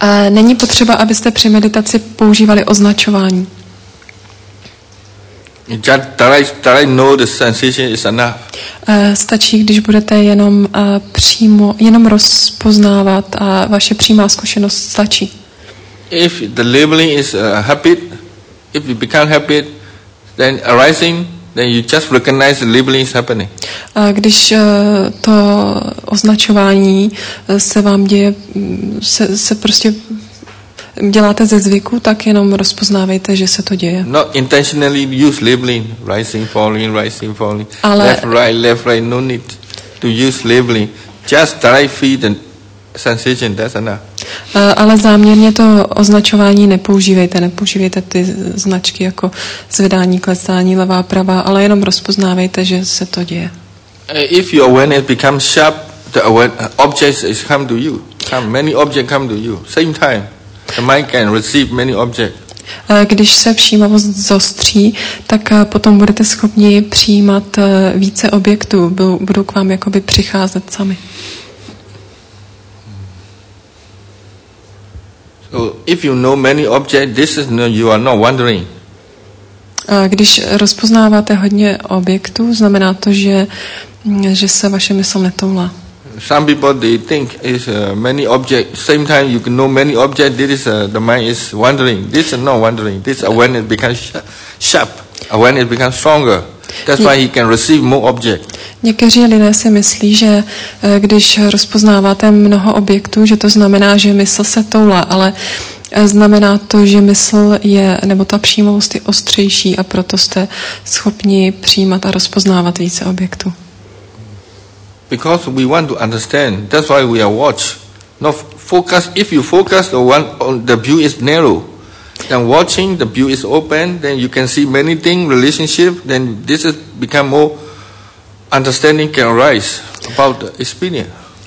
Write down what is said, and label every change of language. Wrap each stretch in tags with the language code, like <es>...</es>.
<cs>Není potřeba, abyste při meditaci používali označování.</cs> <en>Just try know the sensation is enough.</en> <cs>Stačí, když budete jenom přímo, jenom rozpoznávat a vaše přímá zkušenost stačí.</cs> <en>If the labeling is a habit, if you become habit, then arising, then you just recognize the labeling is happening.</en> <cs>Když to označování se vám děje, se prostě děláte ze zvyku, tak jenom rozpoznávejte, že se to děje.</cs> <en>Not intentionally use labeling, rising, falling, left, right, no need to use labeling. Just try feel the sensation, that's enough.</en> <cs>Ale záměrně to označování nepoužívejte ty značky jako zvedání, klesání, levá, pravá, ale jenom rozpoznávejte, že se to děje.</cs> <en>If your awareness becomes sharp, the objects come to you. Many objects come to you. Same time. The mind can receive many objects.</en> <cs>Když se všímavost zostří, tak potom budete schopni přijímat více objektů. Budou k vám jakoby přicházet sami.</cs> <en>If you know many objects, this is no, you are not wandering.</en> <cs>Když rozpoznáváte hodně objektů, znamená to, že se vaše mysl netoulá.</cs> <en>Some people they think is many objects. Same time you can know many objects. This is the mind is wandering. This is not wandering. This awareness becomes sharp. Awareness becomes stronger. That's why he can receive more objects.</en> <cs>Někteří lidé si myslí, že když rozpoznáváte mnoho objektů, že to znamená, že mysl se toulá, ale znamená to, že mysl je, nebo ta přímost je ostřejší a proto jste schopni přijímat a rozpoznávat více objektů.</cs> <en>Because we want to understand, that's why we are watch. No, focus, if you focus on one, on the view is narrow, then watching, the view is open, then you can see many things, relationship, then this has become more understanding can arise about the experience.</en>